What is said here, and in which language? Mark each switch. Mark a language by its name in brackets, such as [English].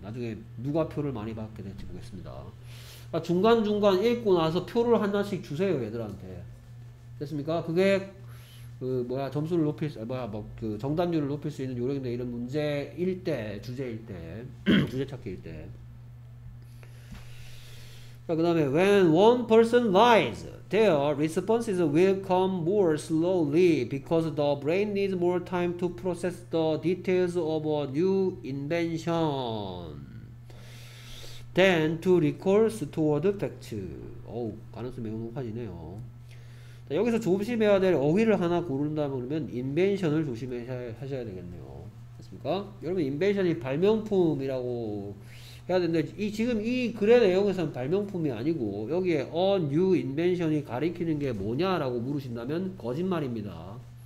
[Korean] 나중에 누가 표를 많이 받게 될지 보겠습니다. 자, 중간중간 읽고 나서 표를 하나씩 주세요 얘들한테. 됐습니까? 그게 그 뭐야 점수를 높일 수, 뭐야 뭐 그 정답률을 높일 수 있는 요령인데 이런 문제일 때 주제일 때 주제 찾기일 때 자, 그 다음에 [English] when one person lies, their responses will come more slowly because the brain needs more time to process the details of a new invention than to recall stored facts. [Korean] 어우, 가능성이 매우 높아지네요. 자, 여기서 조심해야 될 어휘를 하나 고른다면 그러면 invention을 하셔야 되겠네요. 맞습니까? 여러분, invention이 발명품이라고 해야 되는데, 지금 이 글의 내용에서는 발명품이 아니고, 여기에 a new invention이 가리키는 게 뭐냐라고 물으신다면, 거짓말입니다.